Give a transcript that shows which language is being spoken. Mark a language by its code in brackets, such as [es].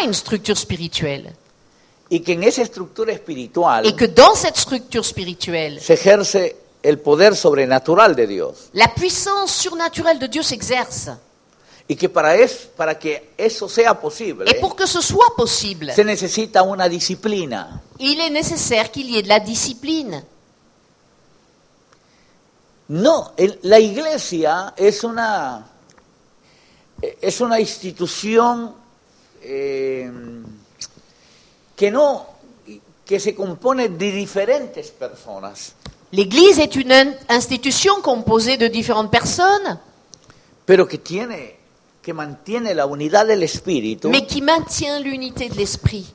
[fr] une structure spirituelle. Et que, [es] en esa estructura espiritual, [fr] et que dans cette structure spirituelle s'exerce [es] el poder sobrenatural de Dios. [fr] La puissance surnaturelle de Dieu s'exerce. [es] Y que para que eso sea posible, [fr] et pour que ce soit possible, [es] se necesita una disciplina. [fr] Il est nécessaire qu'il y ait de la discipline. [es] No, la iglesia es una. Es una institución que se compone de diferentes personas. [fr] L'église est une institution composée de différentes personnes. [es] Pero que mantiene la unidad del espíritu. [fr] Mais qui maintient l'unité de l'esprit.